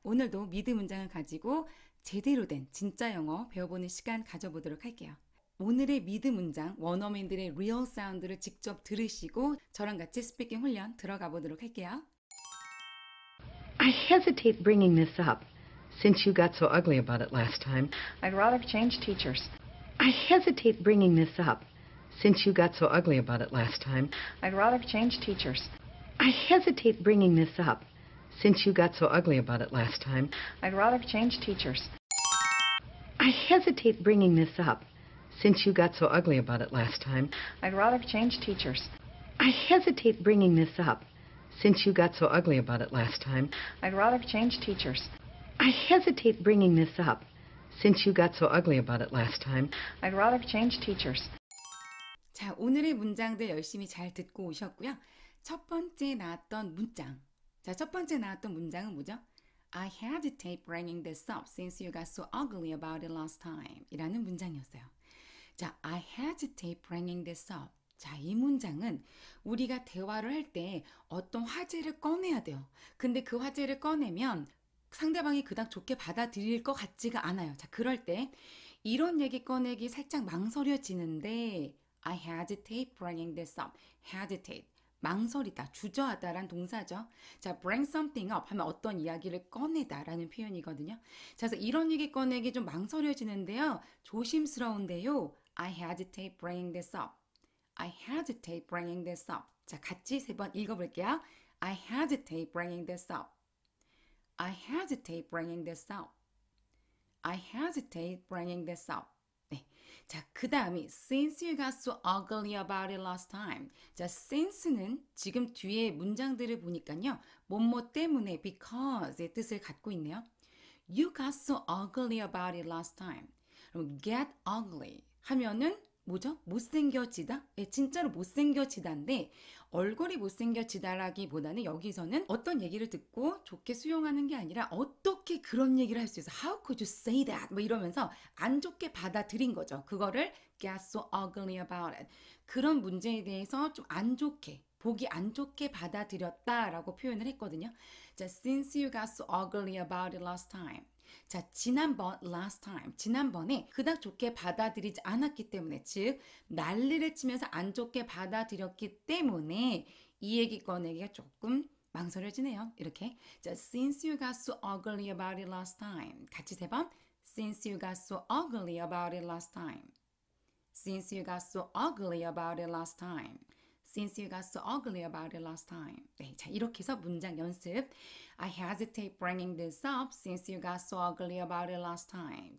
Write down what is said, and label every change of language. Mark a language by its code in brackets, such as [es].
[ko] 오늘도 미드 문장을 가지고 제대로 된 진짜 영어 배워보는 시간 가져보도록 할게요. 오늘의 미드 문장, 원어민들의 real 사운드를 직접 들으시고 저랑 같이 스피킹 훈련 들어가 보도록 할게요. [en] I hesitate bringing this up since you got so ugly about it last time. I'd rather change teachers. I hesitate bringing this up since you got so ugly about it last time. I'd rather change teachers. I hesitate bringing this up since you got so ugly about it last time. I'd rather change teachers. I hesitate bringing this up since you got so ugly about it last time. I'd rather change teachers. I hesitate bringing this up since you got so ugly about it last time. I'd rather change teachers. I hesitate bringing this up since you got so ugly about it last time. I'd rather change teachers. [ko] 자, 오늘의 문장들 열심히 잘 듣고 오셨고요. 첫 번째 나왔던 문장. 자, 첫 번째 나왔던 문장은 뭐죠? [en] I hesitate bringing this up since you got so ugly about it last time. [ko] 이라는 문장이었어요. 자, [en] I hesitate bringing this up. [ko] 자, 이 문장은 우리가 대화를 할 때 어떤 화제를 꺼내야 돼요. 근데 그 화제를 꺼내면 상대방이 그닥 좋게 받아들일 것 같지가 않아요. 자, 그럴 때 이런 얘기 꺼내기 살짝 망설여지는데 [en] I hesitate bringing this up. Hesitate. [ko] 망설이다, 주저하다란 동사죠. 자, [en] bring something up [ko] 하면 어떤 이야기를 꺼내다 라는 표현이거든요. 자, 그래서 이런 얘기 꺼내기 좀 망설여지는데요. 조심스러운데요. [en] I hesitate bringing this up. I hesitate bringing this up. [ko] 자, 같이 세 번 읽어볼게요. [en] I hesitate bringing this up. I hesitate bringing this up. I hesitate bringing this up. [ko] 자, 그 다음이 [en] since you got so ugly about it last time. [ko] 자, since는 지금 뒤에 문장들을 보니까요. 뭐뭐 때문에 because의 뜻을 갖고 있네요. [en] You got so ugly about it last time. [ko] 그럼 [en] get ugly [ko] 하면은 뭐죠? 못생겨지다? 예, 진짜로 못생겨지다인데 얼굴이 못생겨지다라기보다는 여기서는 어떤 얘기를 듣고 좋게 수용하는 게 아니라 어떻게 그런 얘기를 할 수 있어? [en] How could you say that? [ko] 뭐 이러면서 안 좋게 받아들인 거죠. [en] 그거를 get so ugly about it. [ko] 그런 문제에 대해서 좀 안 좋게, 보기 안 좋게 받아들였다라고 표현을 했거든요. [en] 자, since you got so ugly about it last time. [ko] 자, 지난번, [en] last time, [ko] 지난번에 그닥 좋게 받아들이지 않았기 때문에, 즉 난리를 치면서 안 좋게 받아들였기 때문에 이 얘기 꺼내기가 조금 망설여지네요. [en] 이렇게, 자, since you got so ugly about it last time. 같이 세 번, since you got so ugly about it last time. Since you got so ugly about it last time. Since you got so ugly about it last time. [ko] 네, 자, 이렇게 해서 문장 연습. [en] I hesitate bringing this up since you got so ugly about it last time.